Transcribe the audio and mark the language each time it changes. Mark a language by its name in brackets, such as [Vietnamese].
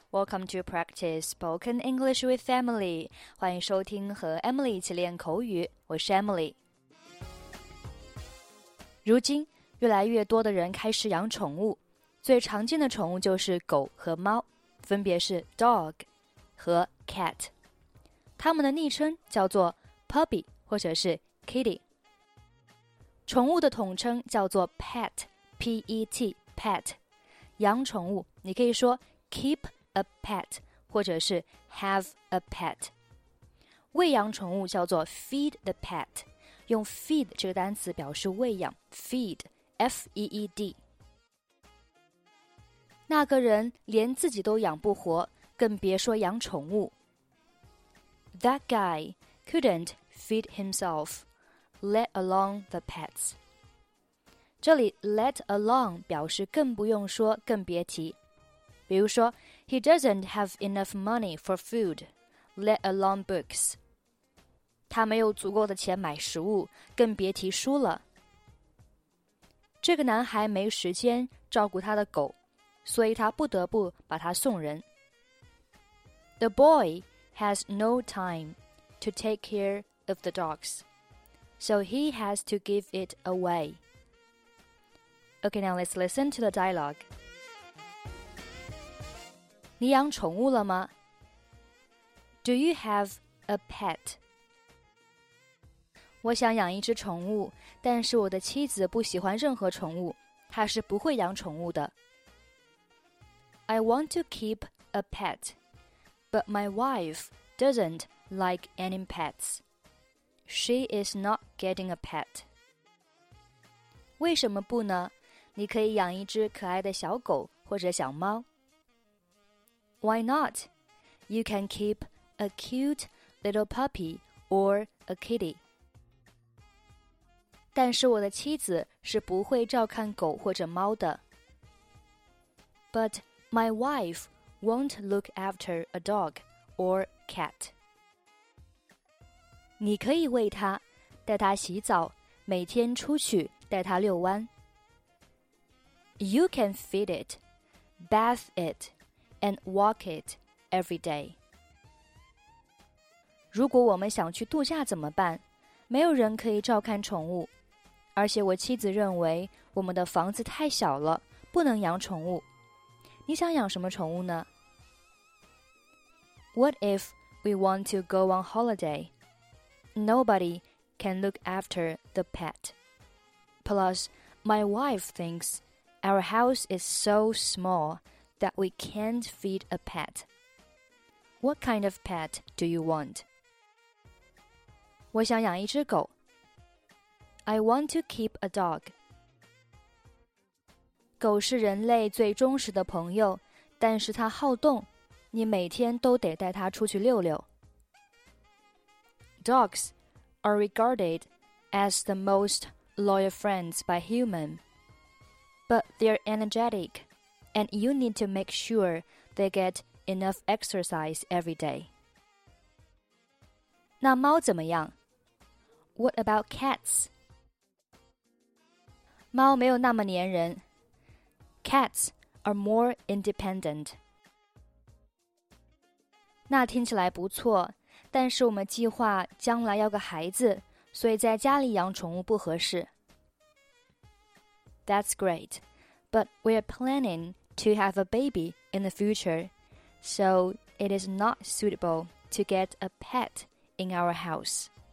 [English] Welcome to Practice Spoken English with Emily. [Chinese] 欢迎收听和 Emily 一起练口语。我是 Emily。如今，越来越多的人开始养宠物。最常见的宠物就是狗和猫，分别是 dog 和 cat。它们的昵称叫做 puppy 或者是 kitty。宠物的统称叫做 pet, P-E-T, pet。养宠物你可以说 keep a pet 或者是 have a pet。喂养宠物叫做 feed the pet， 用 feed 这个单词表示喂养， feed， F-E-E-D。那个人连自己都养不活，更别说养宠物。 [English] That guy couldn't feed himself, let alone the pets。 [Chinese] 这里 let alone 表示更不用说，更别提。比如说 [English] ,he doesn't have enough money for food, let alone books。 [Chinese] 他没有足够的钱买食物，更别提书了。这个男孩没时间照顾他的狗，所以他不得不把他送人。 [English] The boy has no time to take care of the dogs, so he has to give it away. Okay, now let's listen to the dialogue. [Chinese] 你养宠物了吗？ [English] Do you have a pet? [Chinese] 我想养一只宠物，但是我的妻子不喜欢任何宠物，她是不会养宠物的。 [English] I want to keep a pet, but my wife doesn't like any pets. She is not getting a pet. [Chinese] 为什么不呢？你可以养一只可爱的小狗或者小猫。 [English] Why not? You can keep a cute little puppy or a kitty. [Chinese] 但是我的妻子是不会照看狗或者猫的。 [English] But my wife won't look after a dog or cat. [Chinese] 你可以喂它，带它洗澡，每天出去带它遛弯。 [English] You can feed it, bath it, and walk it every day. [Chinese] 如果我们想去度假怎么办？没有人可以照看宠物，而且我妻子认为我们的房子太小了，不能养宠物。你想养什么宠物呢？ [English] What if we want to go on holiday? Nobody can look after the pet. Plus, my wife thinks... Our house is so small that we can't feed a pet. What kind of pet do you want? [Chinese] 我想养一只狗。 [English] I want to keep a dog. [Chinese] 狗是人类最忠实的朋友，但是它好动，你每天都得带它出去溜溜。 [English] Dogs are regarded as the most loyal friends by human. But they're energetic, and you need to make sure they get enough exercise every day. [Chinese] 那猫怎么样？ [English] What about cats? [Chinese] 猫没有那么粘人。 [English] Cats are more independent. [Chinese] 那听起来不错，但是我们计划将来要个孩子，所以在家里养宠物不合适。 [English] That's great, but we're planning to have a baby in the future, so it is not suitable to get a pet in our house.